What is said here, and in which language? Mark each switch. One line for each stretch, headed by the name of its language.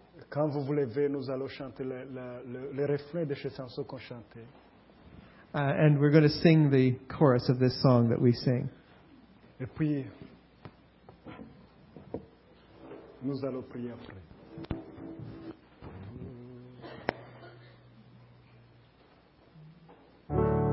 French: Quand vous vous levez, nous allons chanter le refrain de cette chanson qu'on chantait.
English: And we're going to sing the chorus of this song that we sing.
French: Et puis, nous allons prier après. Mm.